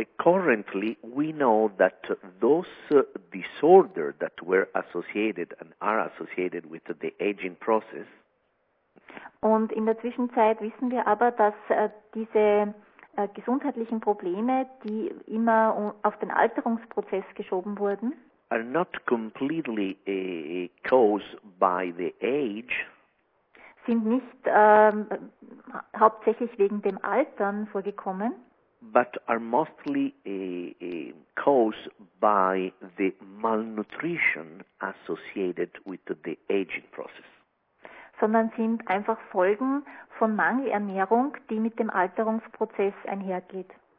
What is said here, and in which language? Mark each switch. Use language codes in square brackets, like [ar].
[en] Currently, we know that those disorders that were associated and are associated with the aging process. [de] Und in der Zwischenzeit wissen wir aber, dass diese gesundheitlichen Probleme, die immer auf den Alterungsprozess geschoben wurden, [en] are not completely caused by the age. [de] Sind nicht hauptsächlich wegen dem Altern vorgekommen. [en] But are mostly caused by the malnutrition associated with the aging process. [de] Sondern sind einfach Folgen von Mangelernährung, die mit dem Alterungsprozess einhergeht.